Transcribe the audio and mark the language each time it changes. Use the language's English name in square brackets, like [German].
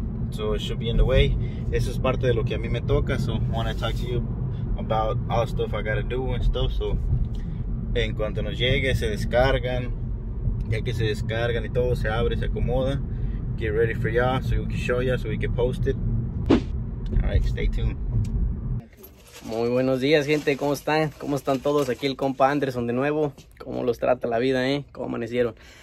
[English] So it should be in the way. [Spanish] Eso es parte de lo que a mí me toca. [English] So I want to talk to you about all the stuff I gotta do and stuff. [Spanish] So en cuanto nos llegue, se descargan. Ya que se descargan y todo, se abre, se acomoda. [English] Get ready for ya, so we can show ya, so we can post it. Alright, stay tuned. [Spanish] Muy buenos días, gente. ¿Cómo están? ¿Cómo están todos? Aquí el compa Anderson de nuevo. ¿Cómo los trata la vida, eh? ¿Cómo amanecieron?